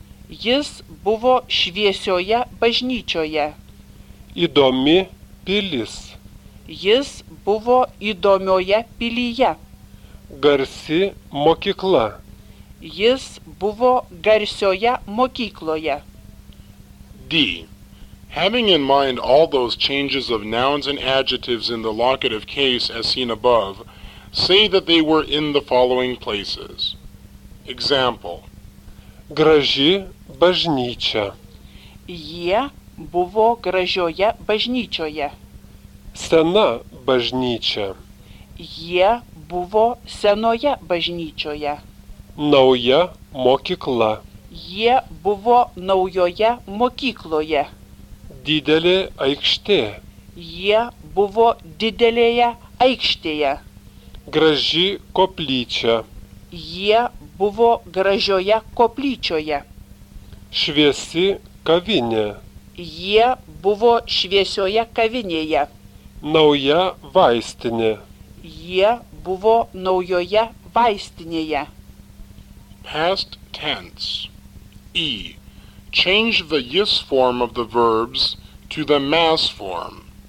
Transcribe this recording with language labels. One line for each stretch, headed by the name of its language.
Lithuanian: Jis buvo šviesioje bažnyčioje. Įdomi pilis. Jis buvo įdomioje pilyje. Garsi mokykla. Jis buvo garsioje mokykloje. D.
English: Having in mind all those changes of nouns and adjectives in the locative case as seen above, say that they were in the following places. Example.
Lithuanian: Graži bažnyčia. Jie buvo gražioje bažnyčioje. Sena bažnyčia. Jie buvo senoje bažnyčioje. Nauja mokykla. Jie buvo naujoje mokykloje. Didelė aikštė. Jie buvo didelėje aikštėje. Graži koplyčia. Jie buvo gražioje koplyčioje. Šviesi kavinė. Jie buvo šviesioje kavinėje. Nauja vaistinė. Jie buvo naujoje vaistinėje.
English: Past tense. E. Change the yis form of the verbs to the mas form.